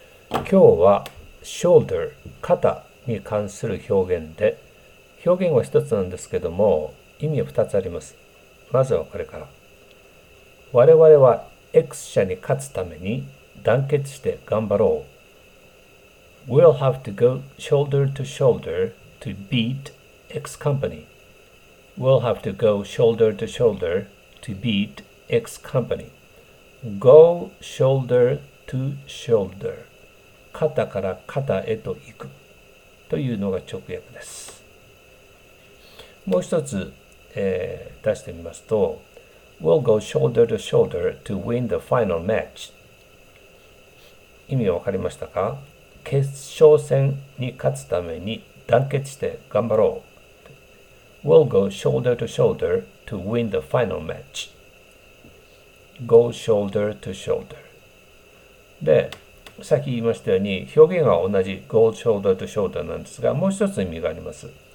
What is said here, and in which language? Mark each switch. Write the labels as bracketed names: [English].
[Japanese] 今日は shoulder 肩に関する表現で、表現は一つなんですけども、意味は二つあります。まずはこれから。我々は X 社に勝つために団結して頑張ろう。 [English] We'll have to go shoulder to shoulder to beat X company. We'll have to go shoulder to shoulder to beat X company. Go shoulder to shoulder. [Japanese] 肩から肩へと行くというのが直訳です。もう一つ、出してみますと、 [English] We'll go shoulder to shoulder to win the final match. [Japanese] 意味わかりましたか？決勝戦に勝つために団結して頑張ろう。 [English] We'll go shoulder to shoulder to win the final match. Go shoulder to shoulder. [Japanese] で、さっき言いましたように、表現は同じ [English] Go shoulder to shoulder [Japanese] なんですが、もう一つ意味があります。